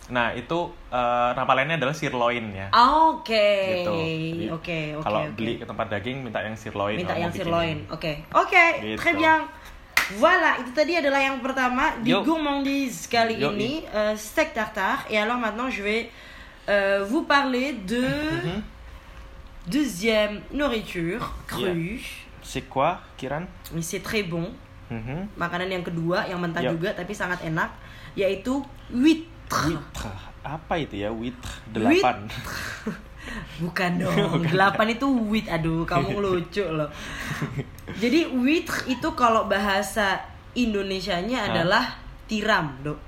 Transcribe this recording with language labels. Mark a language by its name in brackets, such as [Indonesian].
[Indonesian] Nah itu nama lainnya adalah sirloin ya. Oke. Kalau beli ke tempat daging minta yang sirloin. Minta yang sirloin. Oke. [French] Très bien. Voilà, [Indonesian] itu tadi adalah yang pertama di gourmandise kali ini, steak tartare. [French] Et alors maintenant je vais vous parler de deuxième nourriture crue. C'est quoi, Kiran? C'est très bon. [Indonesian] Makanan yang kedua yang mentah juga tapi sangat enak, yaitu huître. Apa itu ya huître? 8. Bukan dong, bukan. 8 itu wit, aduh kamu lucu loh. Jadi wit itu kalau bahasa Indonesianya adalah tiram, Dok.